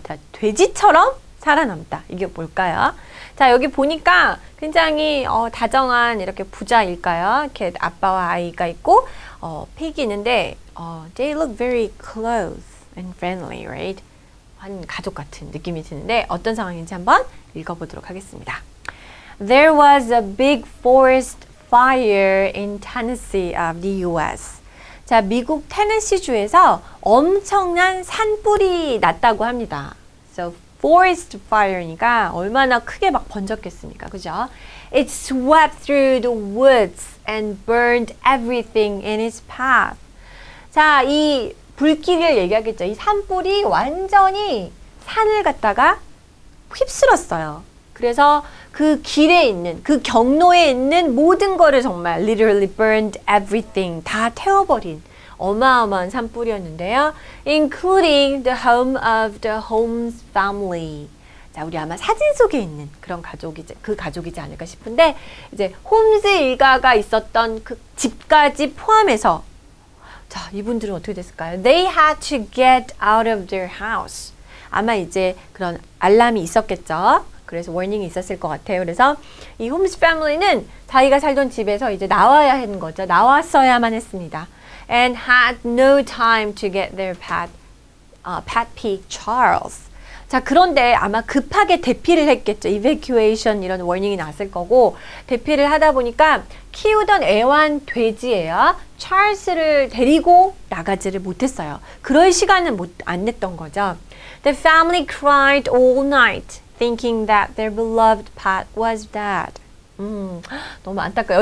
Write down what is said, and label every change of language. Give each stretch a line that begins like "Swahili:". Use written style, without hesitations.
Korean: 자, 돼지처럼 살아남다. 이게 뭘까요? 자, 여기 보니까 굉장히 다정한 이렇게 부자일까요? 이렇게 아빠와 아이가 있고
English: pig
Korean: 있는데
English: they look very close and friendly, right?
Korean: 한 가족 같은 느낌이 드는데 어떤 상황인지 한번 읽어보도록 하겠습니다.
English: There was a big forest fire in Tennessee of the U.S.
Korean: 자, 미국 테네시주에서 엄청난 산불이 났다고 합니다. So, forest fire니까 얼마나 크게 막 번졌겠습니까, 그죠?
English: It swept through the woods and burned everything in its path.
Korean: 자, 이 불길을 얘기하겠죠. 이 산불이 완전히 산을 갖다가 휩쓸었어요. 그래서 그 길에 있는, 그 경로에 있는 모든 거를 정말
English: literally burned everything,
Korean: 다 태워버린 어마어마한 산불이었는데요.
English: Including the home of the Holmes family.
Korean: 자, 우리 아마 사진 속에 있는 그런 가족이지, 그 가족이지 않을까 싶은데 이제 홈즈 일가가 있었던 그 집까지 포함해서 자, 이분들은 어떻게 됐을까요?
English: They had to get out of their house.
Korean: 아마 이제 그런 알람이 있었겠죠. 그래서 워닝이 있었을 것 같아요. 그래서 이 홈즈 패밀리는 자기가 살던 집에서 이제 나와야 하는 거죠. 나왔어야만 했습니다.
English: And had no time to get their pet pig Charles.
Korean: 자, 그런데 아마 급하게 대피를 했겠죠.
English: Evacuation
Korean: 이런 워닝이 났을 거고 대피를 하다 보니까 키우던 애완 돼지예요. 찰스를 데리고 나가지를 못했어요. 그럴 시간은 안 냈던 거죠.
English: The family cried all night. Thinking that their beloved pet was dead.
Korean: 너무 안타까워.